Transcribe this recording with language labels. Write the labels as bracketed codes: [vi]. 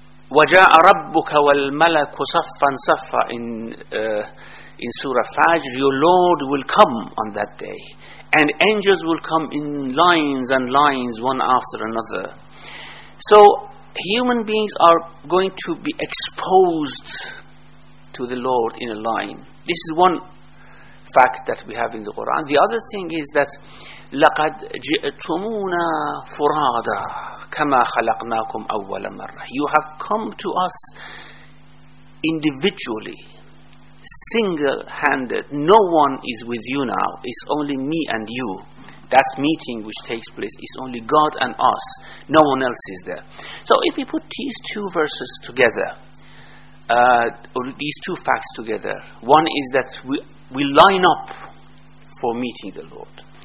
[ar] وَجَاءَ رَبُّكَ وَالْمَلَكُ صَفًّا صَفًّا [en] in Surah Fajr, your Lord will come on that day, and angels will come in lines and lines, one after another. So human beings are going to be exposed to the Lord in a line. This is one fact that we have in the Quran. The other thing is that [ar] لَقَدْ جِئْتُمُونَا فُرَادَ كَمَا خَلَقْنَاكُمْ أَوَّلَ مَرَّةٍ. [en] You have come to us individually, single-handed. No one is with you now. It's only me and you. That meeting which takes place is only God and us. No one else is there. So if we put these two verses together, or these two facts together, one is that we line up for meeting the Lord.